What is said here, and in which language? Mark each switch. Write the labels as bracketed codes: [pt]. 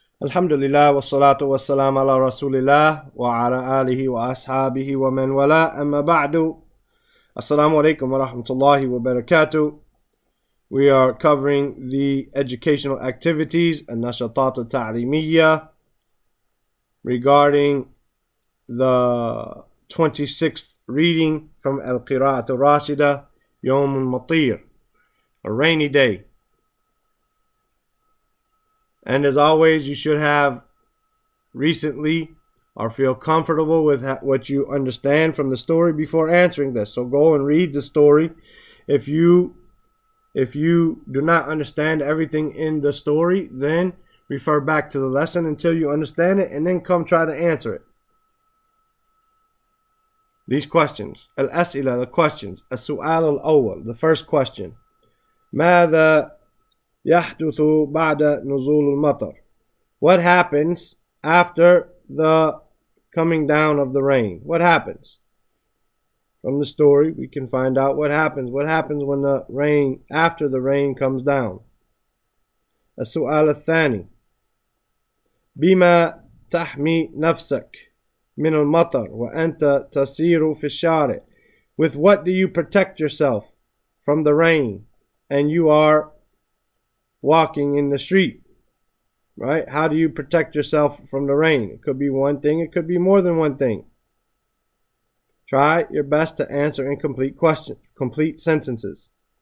[ar] الحمد لله والصلاة والسلام على رسول الله وعلى آله وأصحابه ومن والاه. أما بعد، السلام عليكم ورحمة الله وبركاته. [en] We are covering the educational activities النشاطات التعليمية regarding the 26th reading from القراءة الراشدة يوم المطير, a rainy day. And as always, you should have recently or feel comfortable with what you understand from the story before answering this. So go and read the story. If you do not understand everything in the story, then refer back to the lesson until you understand it, and then come try to answer it. These questions. الأسئلة, the questions. [ar] السؤال الأول, [en] the first question. [ar] ماذا يحدث بعد نزول المطر? [en] What happens after the coming down of the rain? What happens? From the story, we can find out what happens. What happens when the rain, after the rain comes down? [ar] السؤال الثاني. بما تحمي نفسك من المطر وأنت تسير في الشارع? [en] With what do you protect yourself from the rain and you are walking in the street, right? How do you protect yourself from the rain? It could be one thing, it could be more than one thing. Try your best to answer in complete questions, complete sentences.